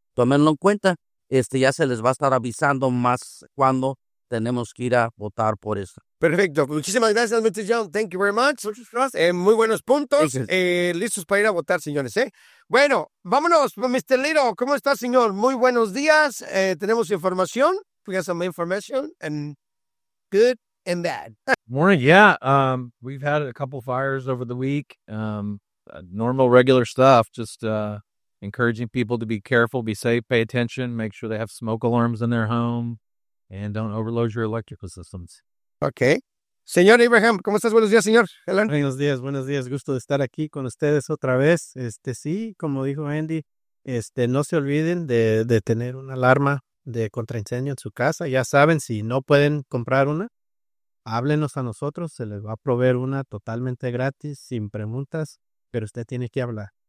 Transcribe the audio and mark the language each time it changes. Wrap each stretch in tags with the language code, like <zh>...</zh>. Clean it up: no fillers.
<es>Tómenlo en cuenta, ya se les va a estar avisando más cuando tenemos que ir a votar por eso. Perfecto, muchísimas gracias, Mr.</es> <en>John. Thank you very much.</en> <es>Muchas gracias. Muy buenos puntos, listos para ir a votar, señores. Bueno, vámonos, Mr. Little, ¿cómo está, señor? Muy buenos días, tenemos información.</es> <en>We got some information, and good and bad. Morning, yeah, we've had a couple fires over the week. Normal, regular stuff, just encouraging people to be careful, be safe, pay attention, make sure they have smoke alarms in their home, and don't overload your electrical systems. Okay.</en> <es>Señor Abraham, ¿cómo estás? Buenos días, señor. Alan. Buenos días, gusto de estar aquí con ustedes otra vez. Sí, como dijo Andy, no se olviden de tener una alarma de contraincendio en su casa. Ya saben, si no pueden comprar una, háblenos a nosotros, se les va a proveer una totalmente gratis, sin preguntas. Pero usted tiene que hablar.</es>